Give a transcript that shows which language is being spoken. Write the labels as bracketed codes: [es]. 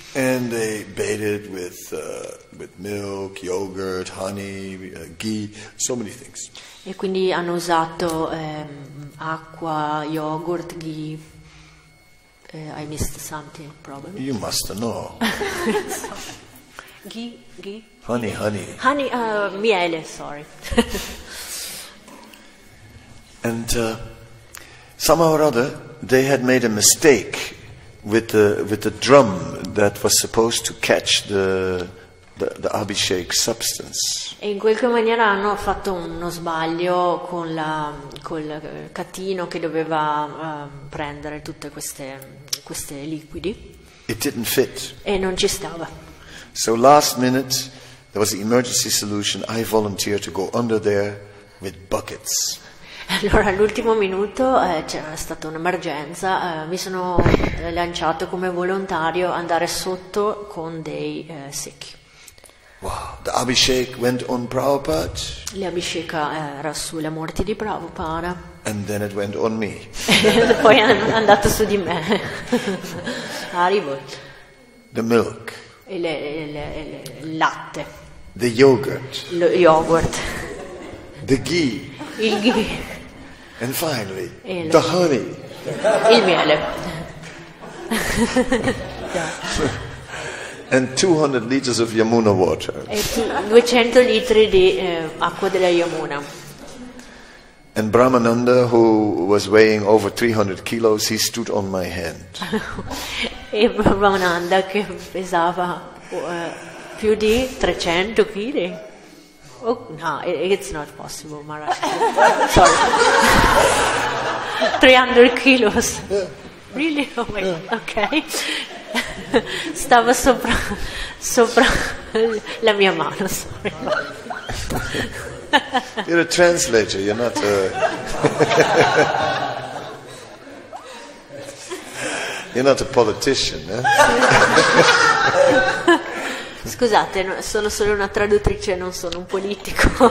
[en] And they bathed with milk, yogurt, honey, ghee, so many things. [it] E quindi hanno usato acqua, yogurt, ghee. [en] I missed something, probably. You must know. Ghee. Honey. Honey, miele, sorry. And somehow or other, they had made a mistake with the drum that was supposed to catch the Abhishek substance. [it] E in qualche maniera hanno fatto uno sbaglio con col catino che doveva prendere tutte queste liquidi. [en] It didn't fit. [it] E non ci stava. [en] So last minute there was an emergency solution. I volunteered to go under there with buckets. [it] Allora, all'ultimo minuto c'era stata un'emergenza, mi sono lanciato come volontario andare sotto con dei secchi. [en] Abhishek went on Prabhupada. [it] L'abhisheka era sulla morte di Prabhupada. [en] And then it went on me. [it] Poi è andato su di me. Arrivo. [en] The milk. [it] Il latte. [en] The yogurt. [it] Lo yogurt. [en] The ghee. [it] Il ghi. [en] and finally [it] Il [en] the honey. [it] miele. [en] and 200 liters of Yamuna water. [it] E 200 litri di acqua della Yamuna. [en] And Brahmananda, who was weighing over 300 kilos, he stood on my hand. [it] E Brahmananda che pesava più di 300 kg. [en] Oh, no, it's not possible, Maharaj. Sorry. 300 kilos. Really? Oh my God. Okay. [it] Stava sopra la mia mano, sorry. [en] You're a translator, you're not a politician, eh? [it] Scusate, no, sono solo una traduttrice, non sono un politico.